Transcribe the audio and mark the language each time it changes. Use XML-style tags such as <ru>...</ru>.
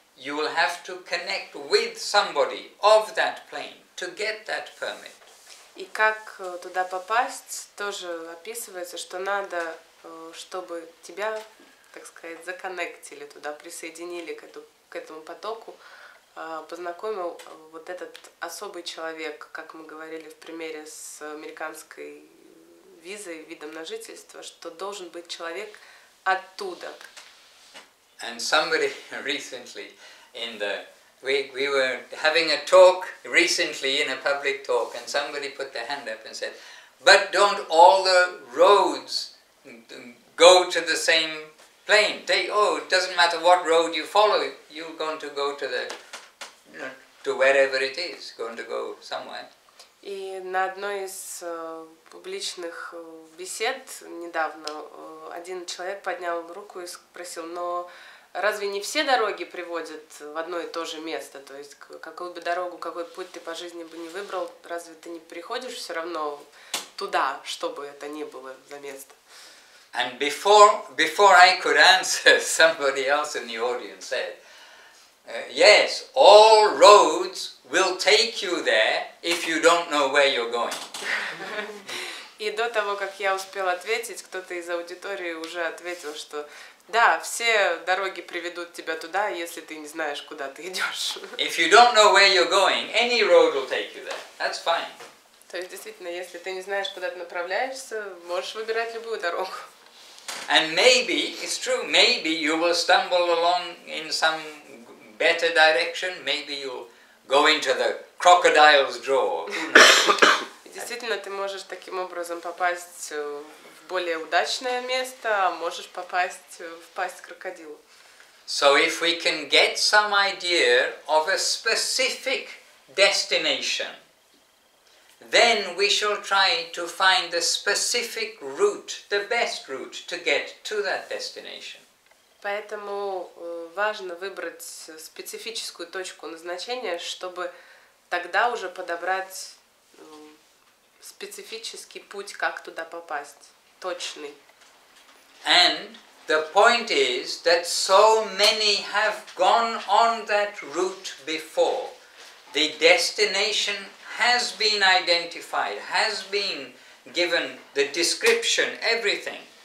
<en>You will have to connect with somebody of that plane to get that permit.</en> <ru>И как туда попасть, тоже описывается, что надо, чтобы тебя, так сказать, законнектили туда, присоединили к этому потоку, познакомил вот этот особый человек, как мы говорили в примере с американской визой, видом на жительство, что должен быть человек оттуда.</ru> <en>And somebody recently in the we were having a talk recently in a public talk, and somebody put their hand up and said, but don't all the roads go to the same plane? It doesn't matter what road you follow, you're going to go to the to wherever it is, going to go somewhere.</en> <ru>И на одной из публичных бесед недавно один человек поднял руку и спросил, но разве не все дороги приводят в одно и то же место? То есть какую бы дорогу, какой путь ты по жизни бы не выбрал, разве ты не приходишь все равно туда, чтобы это ни было за место?</ru> <en>And before I could answer, somebody else in the audience said, yes, all roads will take you there if you don't know where you're going.</en> <ru>И до того, как я успел ответить, кто-то из аудитории уже ответил, что да, все дороги приведут тебя туда, если ты не знаешь, куда ты идешь.</ru> <en>If you don't know where you're going, any road will take you there. That's fine.</en> <ru>То есть действительно, если ты не знаешь, куда ты направляешься, можешь выбирать любую дорогу.</ru> <en>And maybe it's true. Maybe you will stumble along in some better direction, maybe you'll go into the crocodile's jaw.</en> <ru>Действительно, ты можешь таким образом попасть в более удачное место, а можешь попасть в пасть крокодилу.</ru> <en>So if we can get some idea of a specific destination, then we shall try to find the specific route, the best route to get to that destination.</en> <ru>Поэтому важно выбрать специфическую точку назначения, чтобы тогда уже подобрать специфический путь, как туда попасть, точный.</ru> <en>And the point is that so many have gone on that route before. The destination has been identified, has been given the description, everything.</en>